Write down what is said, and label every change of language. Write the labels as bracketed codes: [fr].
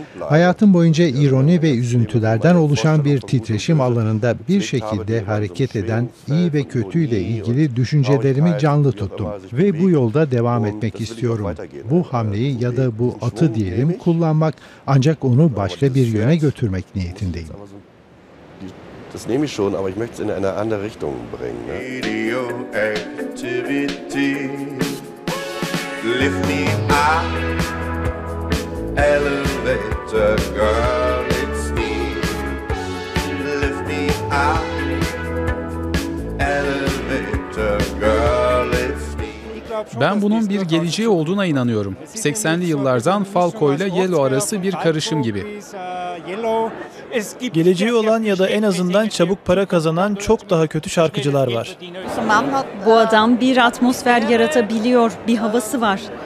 [tr] Hayatım boyunca ironi ve üzüntülerden oluşan bir titreşim alanında bir şekilde hareket eden iyi ve kötüyle ilgili düşüncelerimi canlı tuttum ve bu yolda devam etmek istiyorum. Bu hamleyi ya da bu atı diyelim kullanmak, ancak onu başka bir yöne götürmek niyetindeyim. [de] Das nehme ich schon, aber ich möchte es in eine andere Richtung bringen. [tr] Ne? [en] Radioactivity, lift me up, elevator girl, it's me. Lift me up, elevator girl, it's me. [tr] Ben bunun bir geleceği olduğuna inanıyorum. 80'li yıllardan Falco ile Yellow arası bir karışım gibi. Geleceği olan ya da en azından çabuk para kazanan çok daha kötü şarkıcılar var. Bu adam bir atmosfer yaratabiliyor, bir havası var.